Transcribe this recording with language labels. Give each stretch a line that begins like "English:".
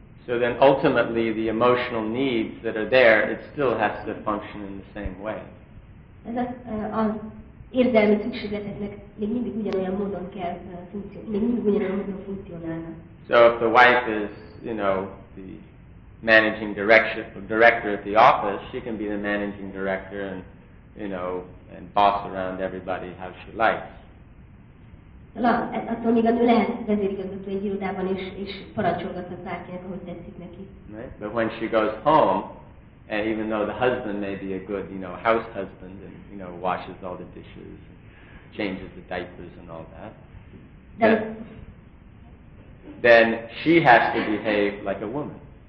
English: So then ultimately the emotional needs that are there, it still has to function in the same way.
Hungarian: Érzelmi szükségleteknek még mindig ugyanolyan módon kell funkcionálni, még mindig ugyanolyan módon funkcionálnak.
English: So if the wife is, you know, the managing director at the office, she can be the managing director and, you know, and boss around everybody how she likes.
Hungarian: Attól még a nő lehet vezérigazgató egy irodában, és parancsolgathat bárkinek, ahogy tetszik neki.
English: Right? But when she goes home, And even though the husband may be a good, you know, house husband and, you know, washes all the dishes and changes the diapers and all that, then she has to behave like a woman.